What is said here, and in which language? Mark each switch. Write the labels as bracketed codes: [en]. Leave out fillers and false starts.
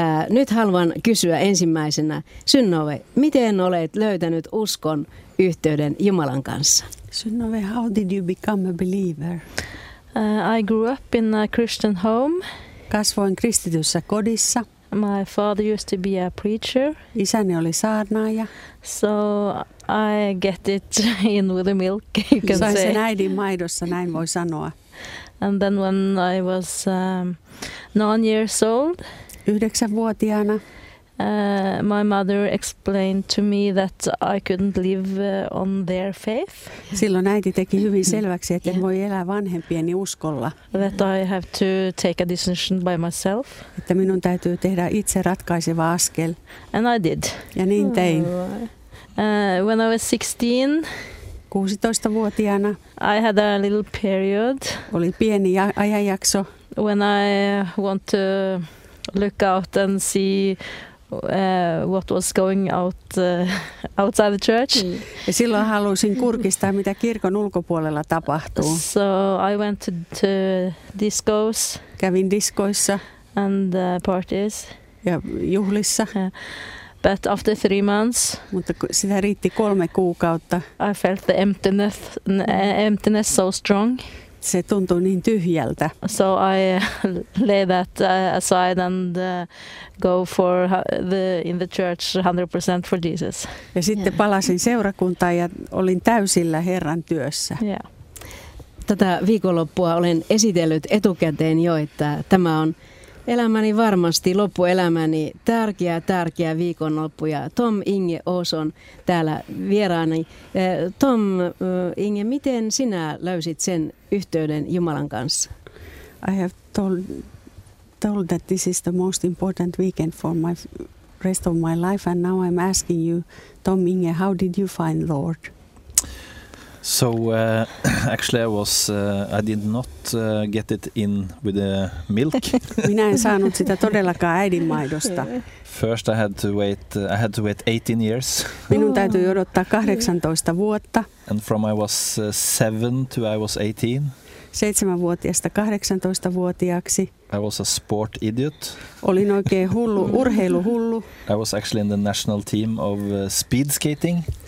[fi] Nyt haluan kysyä ensimmäisenä, Synnöve, miten olet löytänyt uskon yhteyden Jumalan kanssa? [en] Synnöve, how did you become a believer? I grew up in a Christian home. [fi] Kasvoin kristityssä kodissa. [en] My father used to be a preacher. [fi] Isäni oli saarnaaja. [en] So I get it in with the milk, you can [fi] Sain [en] say. [fi] Sain sen äidin maidossa, näin voi sanoa. [en] And then when I was 9 years old. [fi] 9-vuotiaana. [en] My mother explained to me that I couldn't live on their faith. [fi] Silloin äiti teki hyvin selväksi, että en voi elää vanhempieni uskolla. [en] That I have to take a decision by myself. [fi] Että minun täytyy tehdä itse ratkaiseva askel. [en] And I did. [fi] Ja niin tein. [en] When I was 16. [fi] 16-vuotiaana. [en] I had a little period. [fi] Oli pieni ajanjakso. [en] When I want to look out and see what was going out outside the church. [fi] Ja silloin halusin kurkistaa, mitä kirkon ulkopuolella tapahtuu. [en] So I went to discos. [fi] Kävin diskoissa. [en] And parties. [fi] Ja juhlissa. [en] But after 3 months. [fi] Mutta sitä riitti 3 kuukautta. [en] I felt the emptiness so strong. [fi] Se tuntui niin tyhjältä. [en] So I lay that aside and go for the in the church 100% for Jesus. [fi] Ja sitten palasin seurakuntaan ja olin täysillä Herran työssä. [en] Yeah. [fi] Tätä viikonloppua olen esitellyt etukäteen jo, että tämä on elämäni varmasti loppuelämäni tärkeä viikonloppu ja Tom Inge Oos on täällä vieraani. Tom Inge, miten sinä löysit sen yhteyden Jumalan kanssa? [en] I have told that this is the most important weekend for my rest of my life and now I'm asking you, Tom Inge, how did you find Lord? So actually I did not get it in with the milk. [fi] Minä en saanut sitä todellakaan äidinmaidosta. [en] First I had to wait 18 years. [fi] Minun täytyi odottaa 18 vuotta. [en] And from I was 7 to I was 18. [fi] 7-vuotiaasta 18-vuotiaaksi. [en] I was a sport idiot. [fi] Olin oikein hullu, urheiluhullu. [en] I was actually in the national team of speed skating.